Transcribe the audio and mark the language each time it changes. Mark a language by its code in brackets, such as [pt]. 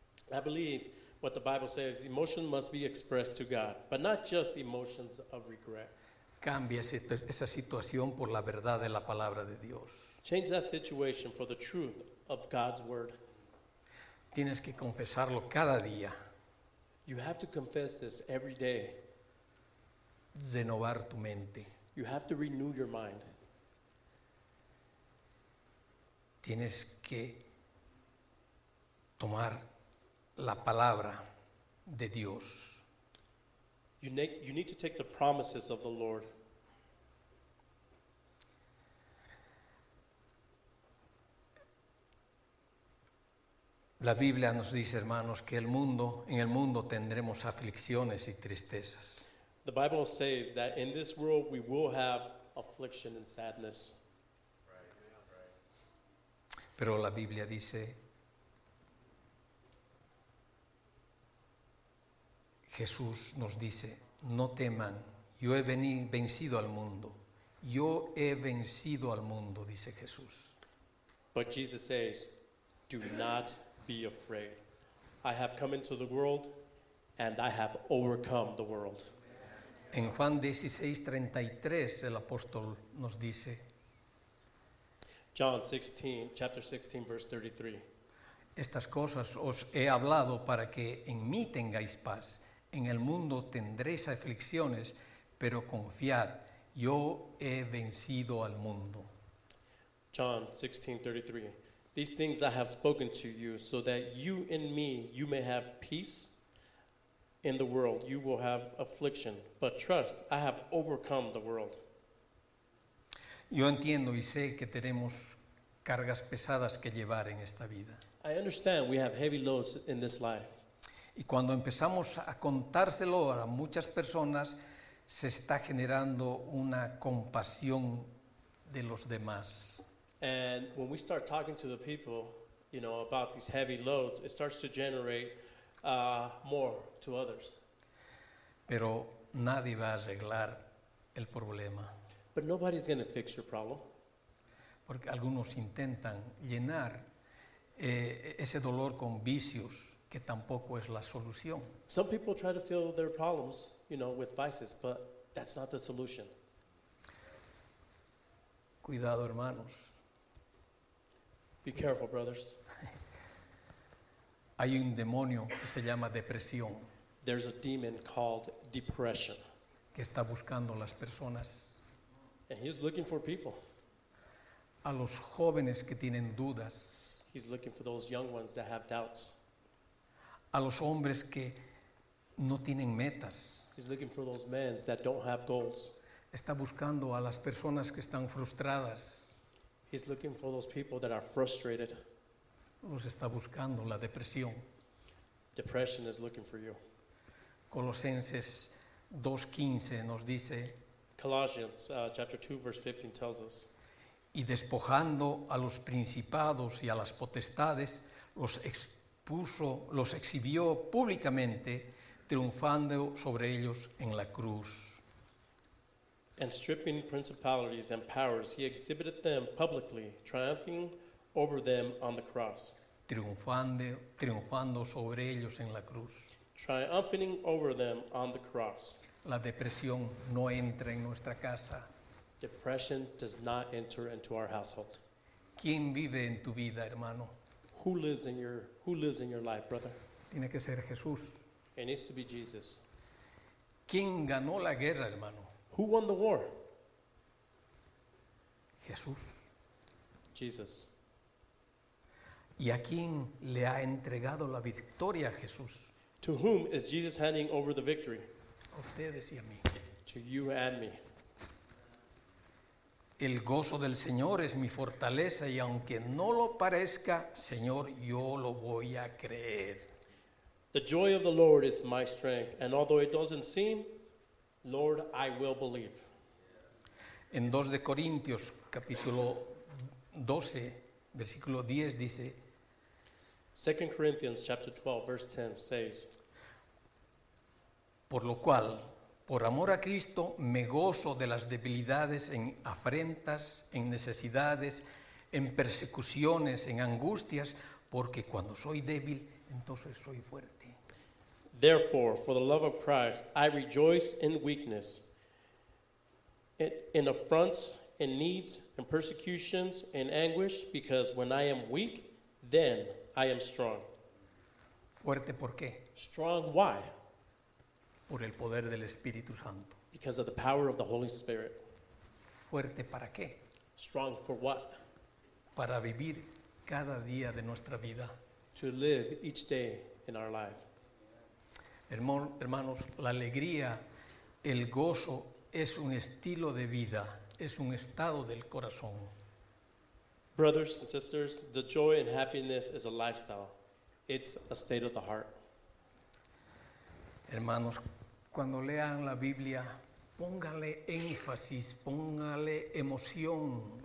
[en] I believe what the Bible says, emotion must be expressed to God, but not just emotions of regret. [es] Cambia esa situación por la verdad de la palabra de Dios. [en] Change that situation for the truth of God's word. [es] Tienes que confesarlo cada día. [en] You have to confess this every day. [es] Renovar tu mente. [en] You have to renew your mind. [es] Tienes que tomar la palabra de Dios. [en] You need to take the promises of the Lord. [es] La Biblia nos dice, hermanos, que en el mundo tendremos aflicciones y tristezas. [en] The Bible says that in this world we will have affliction and sadness. [es] Pero la Biblia dice, Jesús nos dice, no teman, yo he vencido al mundo. Yo he vencido al mundo, dice Jesús. [en] But Jesus says, do not be afraid. I have come into the world and I have overcome the world. [es] En Juan 16:33 el apóstol nos dice, [en] John 16, chapter 16, verse 33. [es] Estas cosas os he hablado para que en mí tengáis paz. En el mundo tendréis aflicciones, pero confiad, yo he vencido al mundo. [en] John 16, 33. These things I have spoken to you, so that you in me, you may have peace. In the world, you will have affliction, but trust, I have overcome the world. [es] Yo entiendo y sé que tenemos cargas pesadas que llevar en esta vida. [en] I understand we have heavy loads in this life. [es] Y cuando empezamos a contárselo a muchas personas, se está generando una compasión de los demás. [en] And when we start talking to the people, you know, about these heavy loads, it starts to generate more to others. [es] Pero nadie va a arreglar el problema. [en] But nobody's going to fix your problem. [es] Porque algunos intentan llenar ese dolor con vicios, que tampoco es la solución. [en] Some people try to fill their problems, you know, with vices, but that's not the solution. [es] Cuidado, hermanos. [en] Be careful, brothers. [es] Hay un demonio que se llama depresión. [en] There's a demon called depression. [es] Que está buscando las personas. [en] And he's looking for people. [es] A los jóvenes que tienen dudas. [en] He's looking for those young ones that have doubts. [es] A los hombres que no tienen metas. [en] He's looking for those men that don't have goals. [es] Está buscando a las personas que están frustradas. [en] He's looking for those people that are frustrated. [es] Los está buscando la depresión. [en] Depression is looking for you. [es] Colosenses 2:15 nos dice, [en] Colossians chapter 2 verse 15 tells us, [es] y despojando a los principados y a las potestades, los exhibió públicamente, triunfando sobre ellos en la cruz. [en] And stripping principalities and powers, he exhibited them publicly, triumphing over them on the cross. [es] Triunfando sobre ellos en la cruz. [en] Triumphing over them on the cross. [es] La depresión no entra en nuestra casa. [en] Depression does not enter into our household. [es] ¿Quién vive en tu vida, hermano? [en] Who lives in your life, brother? [es] Tiene que ser Jesús. [en] It needs to be Jesus. [es] ¿Quién ganó la guerra, hermano? [en] Who won the war? [es] Jesús. [en] Jesus. [es] ¿Y a quién le ha entregado la victoria a Jesús? [en] To whom is Jesus handing over the victory? [es] Ustedes y a mí. [en] To you and me. [es] El gozo del Señor es mi fortaleza, y aunque no lo parezca, Señor, yo lo voy a creer. [en] The joy of the Lord is my strength, and although it doesn't seem, Lord, I will believe. [es] En 2 de Corintios capítulo 12 versículo 10 dice, [en] 2 Corinthians chapter 12 verse 10 says, [es] por lo cual, por amor a Cristo, me gozo de las debilidades, en afrentas, en necesidades, en persecuciones, en angustias, porque cuando soy débil, entonces soy fuerte. [en] Therefore, for the love of Christ, I rejoice in weakness, in affronts, in needs, in persecutions, in anguish, because when I am weak, then I am strong. [es] Fuerte, ¿por qué? [en] Strong, why? [es] Por el poder del Espíritu Santo. [en] Because of the power of the Holy Spirit. [es] Fuerte, ¿para qué? [en] Strong for what? [es] Para vivir cada día de nuestra vida. [en] To live each day in our life. [es] Hermanos, la alegría El gozo es un estilo de vida, es un estado del corazón. [en] Brothers and sisters, the joy and happiness is a lifestyle. It's a state of the heart. [es] Hermanos, cuando lean la Biblia, póngale énfasis, póngale emoción.